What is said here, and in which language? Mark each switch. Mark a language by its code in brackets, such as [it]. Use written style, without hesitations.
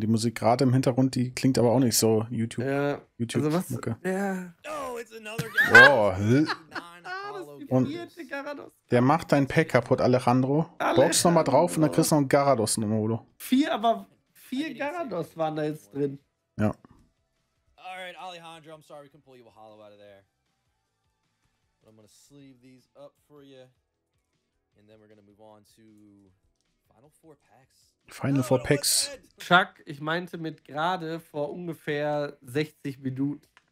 [de] Die Musik gerade im Hintergrund, die klingt aber auch nicht so YouTube. Ja, YouTube. Also was? Okay. Ja. [en] Oh, it's another guy. [de] Oh, das ist die und der macht dein Pack kaputt, Alejandro. Box nochmal drauf und dann kriegst du noch einen Garados in den Modo. Vier Garados waren da jetzt drin. Ja. [en] Alright, Alejandro, I'm sorry we can pull you a hollow out of there. But I'm gonna sleeve these up for you. And then we're gonna move on to Final Four Packs. Final Four Packs. [de] Chuck, ich meinte mit gerade vor ungefähr 60 Minuten.